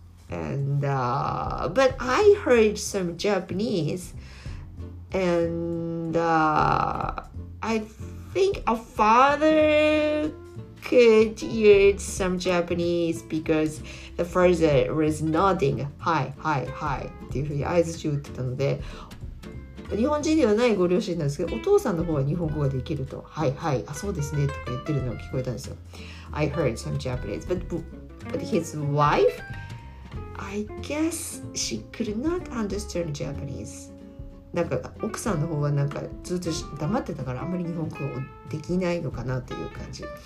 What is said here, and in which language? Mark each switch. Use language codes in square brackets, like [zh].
[en] And, but I heard some Japanese andI think a father could use some Japanese because the father was nodding hi, hi, hi [ja] っていうふうに合図中打ってたので日本人ではないご両親なんですけどお父さんの方は日本語ができるとはいはいあそうですねとか言ってるのが聞こえたんですよ [en] I heard some Japanese but his wife I guess she could not understand Japanese. [ja] なんか奥さんの方はなんかずっと黙ってたからあんまり日本語できないのかなという感じ。